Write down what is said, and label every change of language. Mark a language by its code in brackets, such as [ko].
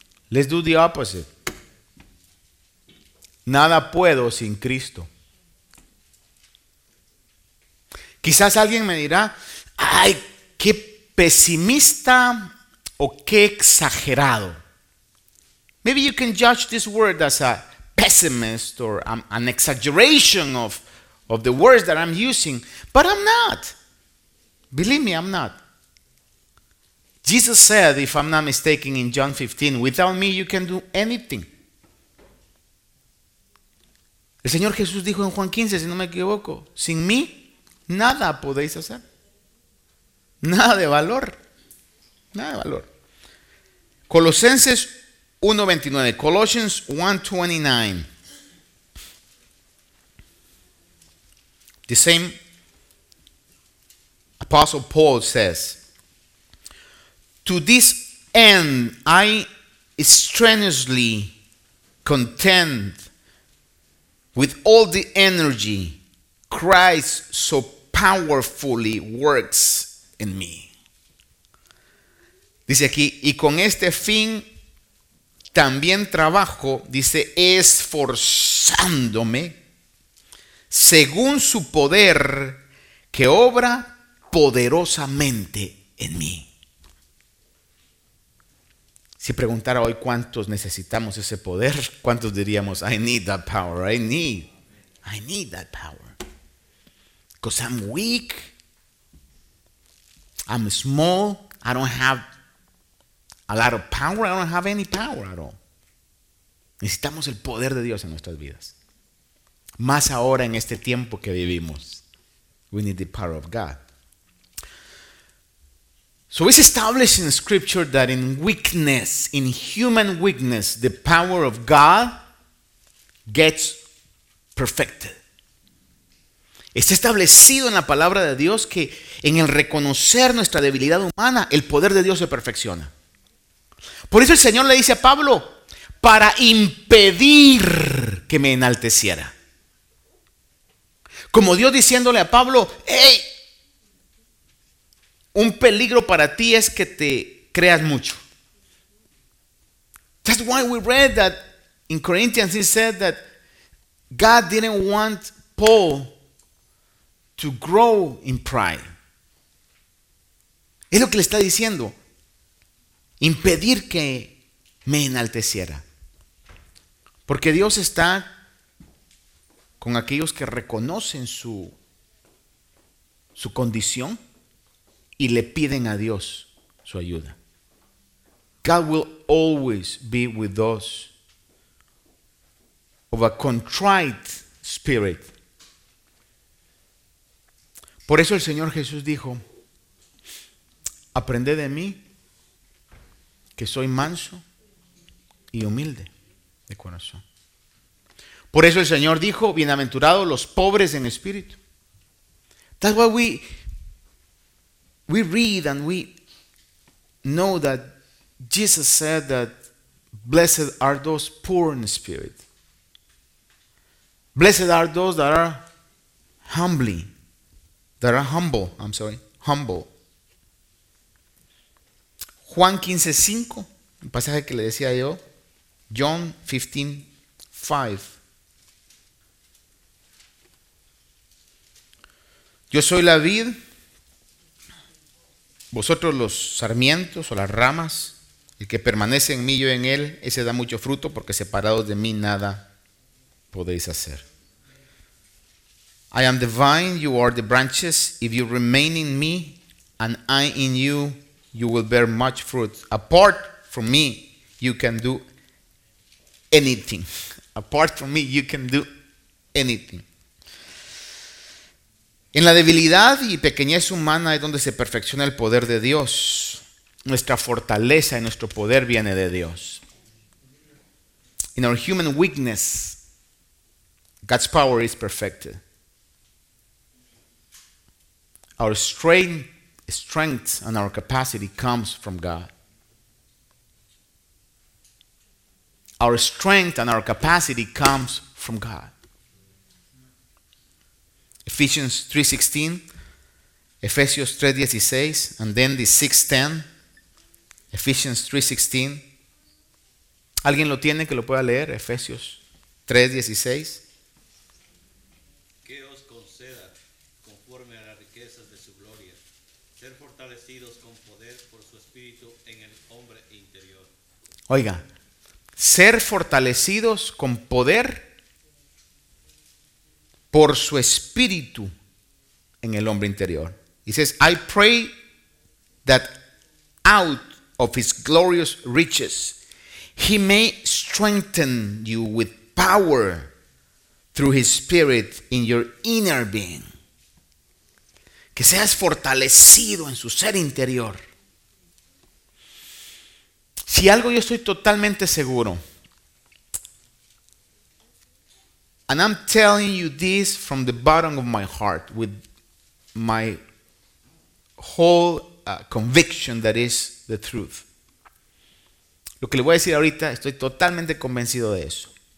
[en] Let's do the opposite. [es] Nada puedo sin Cristo. Quizás alguien me dirá, ay, qué pesimista o qué exagerado. [en] Maybe you can judge this word as a pessimist or an exaggeration of the words that I'm using. But I'm not. Believe me, I'm not. Jesus said, if I'm not mistaken, in John 15, without me you can do anything. [es] El Señor Jesús dijo en Juan 15, si no me equivoco, sin mí nada podéis hacer. Nada de valor. Nada de valor. Colosenses 1.29. [en] Colossians 1.29. The same Apostle Paul says, to this end I strenuously contend with all the energy Christ so powerfully works in me. [es] Dice aquí, y con este fin también trabajo, dice, esforzándome según su poder que obra poderosamente en mí. Si preguntara hoy cuántos necesitamos ese poder, cuántos diríamos, [en] I need that power, I need that power. Because I'm weak, I'm small, I don't have a lot of power, I don't have any power at all. [es] Necesitamos el poder de Dios en nuestras vidas. Más ahora en este tiempo que vivimos. [en] We need the power of God. So it's established in scripture that in weakness, in human weakness, the power of God gets perfected. [es] Está establecido en la palabra de Dios que en el reconocer nuestra debilidad humana, el poder de Dios se perfecciona. Por eso el Señor le dice a Pablo, para impedir que me enalteciera. Como Dios diciéndole a Pablo, hey, un peligro para ti es que te creas mucho. [en] That's why we read that in Corinthians, he said that God didn't want Paul to grow in pride. [es] Es lo que le está diciendo. Impedir que me enalteciera. Porque Dios está con aquellos que reconocen su condición y le piden a Dios su ayuda. [en] God will always be with those of a contrite spirit. [es] Por eso el Señor Jesús dijo, aprended de mí que soy manso y humilde de corazón. Por eso el Señor dijo, bienaventurados los pobres en espíritu. [en] That's why we read and we know that Jesus said that blessed are those poor in spirit. Blessed are those that are humbly, that are humble, I'm sorry, humble. [es] Juan 15, 5, el pasaje que le decía yo, John 15, 5. Yo soy la vid, vosotros los sarmientos o las ramas, el que permanece en mí, yo en él, ese da mucho fruto porque separados de mí nada podéis hacer. [en] I am the vine, you are the branches, if you remain in me and I in you, you will bear much fruit. Apart from me, you can do anything. Apart from me, you can do anything. [es] En la debilidad y pequeñez humana es donde se perfecciona el poder de Dios. Nuestra fortaleza y nuestro poder viene de Dios. [en] In our human weakness, God's power is perfected. Our strength and our capacity comes from God. Our strength and our capacity comes from God. Ephesians 3:16, Ephesians 3:16, and then the 6:10, Ephesians 3:16. [es] ¿Alguien lo tiene que lo pueda leer? [en] Ephesians 3:16. [es] Que os conceda, conforme a las riquezas de su gloria, ser fortalecidos con poder por su espíritu en el hombre interior. Oiga, ser fortalecidos con poder por su espíritu en el hombre interior. [en] He says, I pray that out of his glorious riches he may strengthen you with power through his spirit in your inner being. [es] Que seas fortalecido en su ser interior. Si algo yo estoy totalmente seguro, [en] and I'm telling you this from the bottom of my heart, with my whole conviction that is the truth. [es] Lo que le voy a decir ahorita, estoy totalmente convencido de eso.